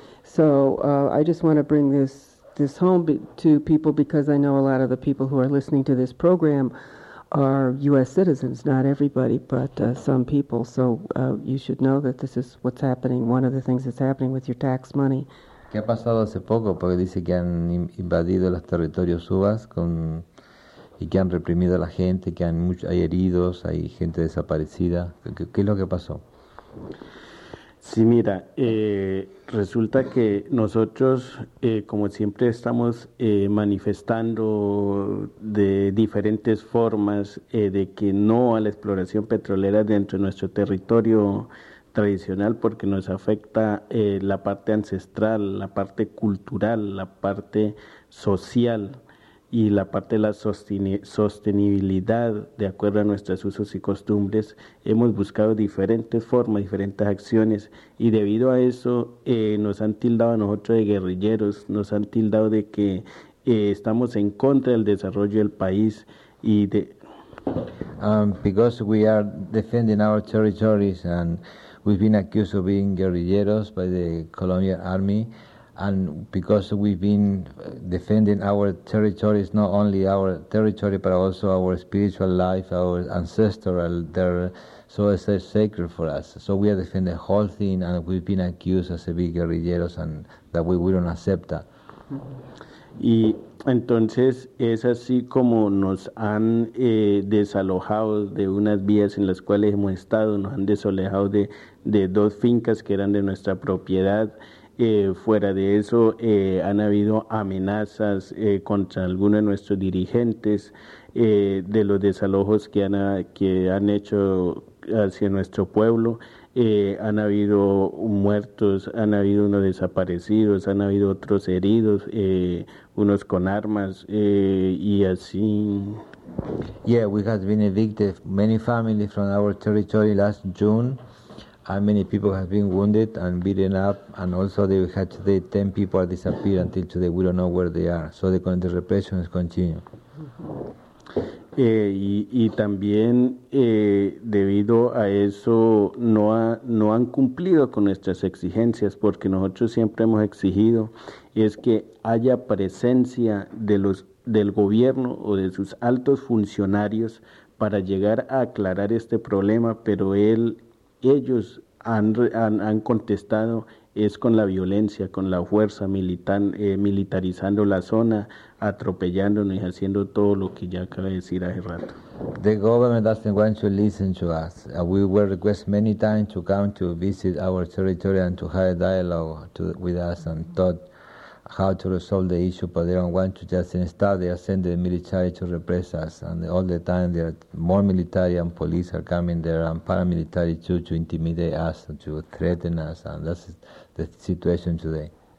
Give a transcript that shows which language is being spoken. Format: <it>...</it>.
<en>So I just want to bring this home to people because I know a lot of the people who are listening to this program are U.S. citizens, not everybody, but some people. So you should know that this is what's happening, one of the things that's happening with your tax money.</en> <es>¿Qué ha pasado hace poco? Porque dice que han invadido los territorios subas con y que han reprimido a la gente, que han mucho, hay heridos, hay gente desaparecida. ¿Qué es lo que pasó? Sí, mira, resulta que nosotros, como siempre, estamos manifestando de diferentes formas de que no a la exploración petrolera dentro de nuestro territorio tradicional, porque nos afecta la parte ancestral, la parte cultural, la parte social y la parte de la sostenibilidad de acuerdo a nuestros usos y costumbres. Hemos buscado diferentes formas, diferentes acciones, y debido a eso nos han tildado a nosotros de guerrilleros, nos han tildado de que estamos en contra del desarrollo del país y de.</es> <en>Because we are defending our territories and we've been accused of being guerrilleros by the Colombian army, and because we've been defending our territories, not only our territory but also our spiritual life, our ancestral, they're so it's sacred for us. So we are defending the whole thing, and we've been accused as a big guerrilleros, and that we don't accept that.</en> <es>Y entonces es así como nos han desalojado de unas vías en las cuales hemos estado, nos han desalojado de dos fincas que eran de nuestra propiedad. Fuera de eso, han habido amenazas contra algunos de nuestros dirigentes. de los desalojos que han hecho hacia nuestro pueblo. Han habido muertos, han habido unos desaparecidos, han habido otros heridos, unos con armas, y así.</es> <en>Yeah, we have been evicted many families from our territory last June. How many people have been wounded and beaten up, and also they had today 10 people are disappeared until today. We don't know where they are. So the repression is continuing. Y también debido a eso no han cumplido con nuestras exigencias, porque nosotros siempre hemos exigido es que haya presencia de los del gobierno o de sus altos funcionarios para llegar a aclarar este problema, pero ellos han contestado es con la violencia, con la fuerza, militarizando la zona, atropellándonos y haciendo todo lo que ya acabé de decir hace rato. The government doesn't want to listen to us. We were requested many times to come to visit our territory and to have a dialogue with us and thought how to resolve the issue, but they don't want to just install. They are sending the military to repress us, and all the time there are more military and police are coming there and paramilitary too to intimidate us, to threaten us, and that's the situation today.</en>